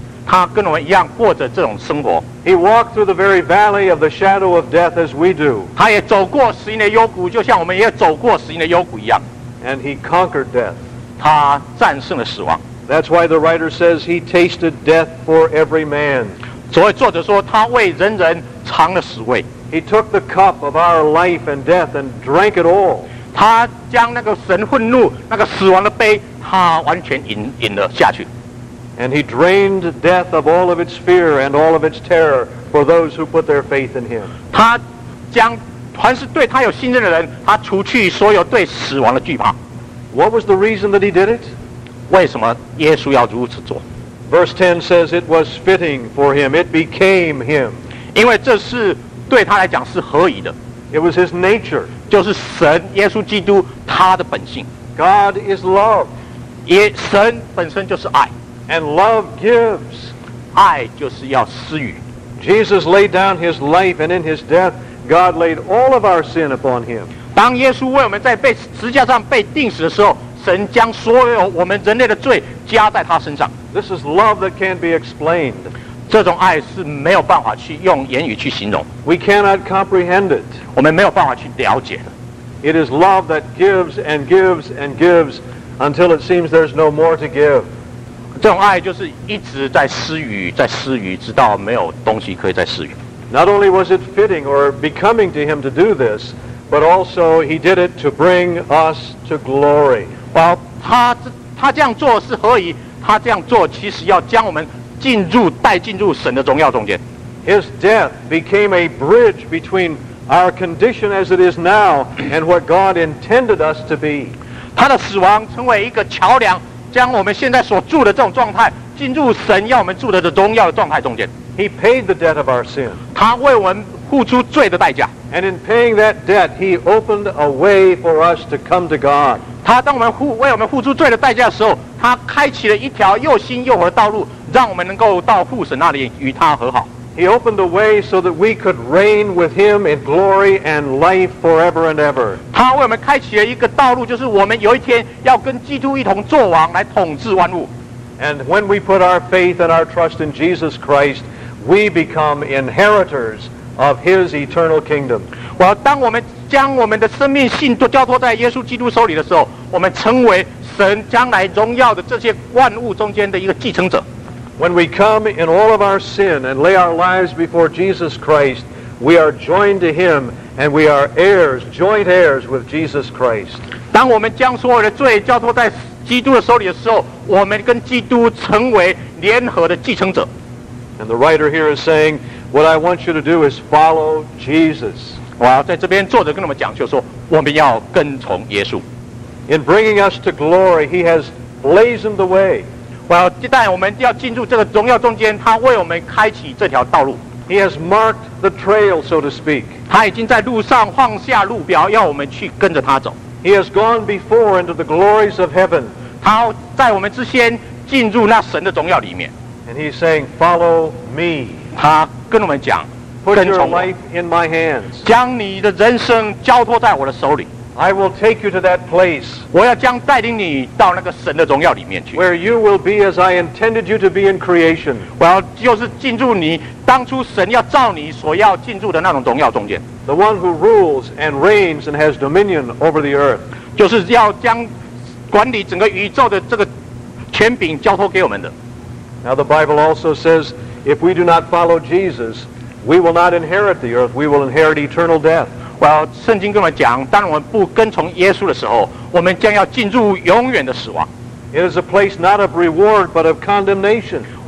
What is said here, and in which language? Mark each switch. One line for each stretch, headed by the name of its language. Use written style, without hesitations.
Chinese: 他跟我们一样过着这种生活。
English: He walked through the very valley of the shadow of death as we do.
Chinese: 他也走过死荫的幽谷，就像我们也走过死荫的幽谷一样。
English: And he conquered death.
Chinese: 他战胜了死亡。
English: That's why the writer says he tasted death for every man.
Chinese: 所以作者说他为人人尝了死味。
English: He took the cup of our life and death and drank it all.
Chinese: 他将那个神愤怒、那个死亡的杯，他完全饮了下去。
English: And he drained death of all of its fear and all of its terror for those who put their faith in him.
Chinese: 他将凡是对他有信任的人，他除去所有对死亡的惧怕。
English: What was the reason that he did it?
Chinese: 为什么耶稣要如此做？
English: Verse 10 says it was fitting for him. It became him.
Chinese: 因为这是对他来讲是合宜的。
English: It was his nature.
Chinese: 就是神耶稣基督他的本性。
English: God is love.
Chinese: 神本身就是爱。
English: And love gives.
Chinese: 爱就是要施予。
English: Jesus laid down his life, and in his death, God laid all of our sin upon him.
Chinese: 当耶稣为我们在被十字架上被钉死的时候，神将所有我们人类的罪加在他身上。
English: This is love that can't be explained.
Chinese: 这种爱是没有办法去用言语去形容。
English: We cannot comprehend it.
Chinese: 我们没有办法去了解的。
English: It is love that gives and gives and gives until it seems there's no more to give.
Chinese: 这种爱就是一直在施予，在施予，直到没有东西可以再施予。
English: Not only was it fitting or becoming to him to do this, but also he did it to bring us to glory.
Chinese: 他这样做是何以？他这样做其实要将我们带进入神的荣耀中间。
English: His death became a bridge between our condition as it is now and what God intended us to be.
Chinese: 他的死亡成为一个桥梁。将我们现在所住的这种状态进入神要我们住的荣耀的状态中间。
English: He paid the debt of our sin.
Chinese: 他为我们付出罪的代价。
English: And in paying that debt, he opened a way for us to come to God.
Chinese: 他当我们为我们付出罪的代价的时候，他开启了一条又新又活的道路，让我们能够到父神那里与他和好。
English: He opened the way so that we could reign with him in glory and life forever and ever.
Chinese: 他为我们开启了一个道路，就是我们有一天要跟基督一同作王，来统治万物。
English: And when we put our faith and our trust in Jesus Christ, we become inheritors of his eternal kingdom.
Chinese: 当我们将我们的生命信托交托在耶稣基督手里的时候，我们成为神将来荣耀的这些万物中间的一个继承者。
English: When we come in all of our sin and lay our lives before Jesus Christ, we are joined to him and we are heirs, joint heirs with Jesus Christ.
Chinese: 当我们将所有的罪交托在基督的手里的时候，我们跟基督成为联合的继承者。
English: And the writer here is saying, what I want you to do is follow Jesus.
Chinese: 我要在这边作者跟我们讲，就是说我们要跟从耶稣。
English: In bringing us to glory, he has blazoned the way.
Chinese: 一旦我们要进入这个荣耀中间，他为我们开启这条道路。
English: He has marked the trail, so to speak.
Chinese: 他已经在路上放下路标，要我们去跟着他走。
English: He has gone before into the glories of heaven.
Chinese: 他在我们之先进入那神的荣耀里面。
English: And he's saying, follow me.
Chinese: 他跟我们讲，跟从我。
English: Put your life in my hands.
Chinese: 将你的人生交托在我的手里。
English: I will take you to that place.
Chinese: 我要将带领你到那个神的荣耀里面去。
English: Where you will be as I intended you to be in creation.
Chinese: 我要就是进入你当初神要造你所要进入的那种荣耀中间。
English: The one who rules and reigns and has dominion over the earth.
Chinese: 就是要将管理整个宇宙的这个权柄交托给我们的。
English: Now the Bible also says, if we do not follow Jesus, we will not inherit the earth. We will inherit eternal death.
Chinese: 圣经跟我们讲，当我们不跟从耶稣的时候，我们将要进入永远的死亡。
English: It is a place not of reward but of condemnation.